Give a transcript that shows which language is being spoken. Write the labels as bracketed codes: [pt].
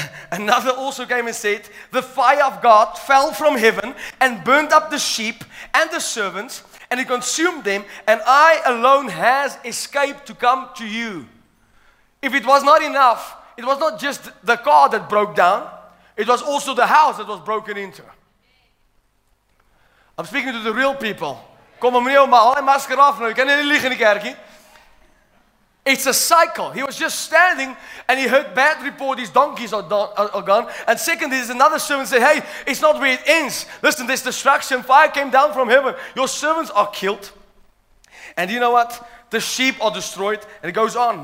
[en] Another also came and said, the fire of God fell from heaven and burned up the sheep and the servants, and it consumed them, and I alone has escaped to come to you. If it was not enough, it was not just the car that broke down, it was also the house that was broken into. I'm speaking to the real people. [af] Kom meneer, haal die masker af nou, jy kan nie lieg in die kerk nie. [en] It's a cycle. He was just standing and he heard bad report. His donkeys are gone. And secondly, there's another servant said, hey, it's not where it ends. Listen, there's destruction. Fire came down from heaven. Your servants are killed. And you know what? The sheep are destroyed. And it goes on.